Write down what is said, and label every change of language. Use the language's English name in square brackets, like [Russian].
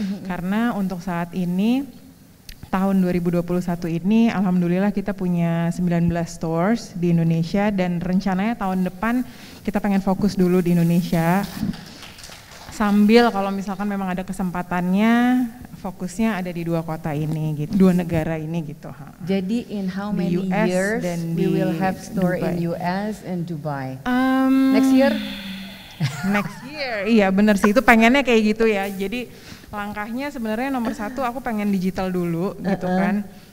[Indonesian] Karena untuk saat ini tahun 2021 ini alhamdulillah kita punya 19 stores di Indonesia dan rencananya tahun depan kita pengen fokus dulu di Indonesia. Sambil kalau misalkan memang ada kesempatannya, fokusnya ada di dua kota ini, gitu, dua negara ini gitu. [English] Jadi in how many years we will have store Dubai. In US and Dubai? Next year? Next year, [Indonesian] iya benar sih, itu pengennya kayak gitu ya. Jadi langkahnya sebenarnya nomor satu aku pengen digital dulu gitu kan.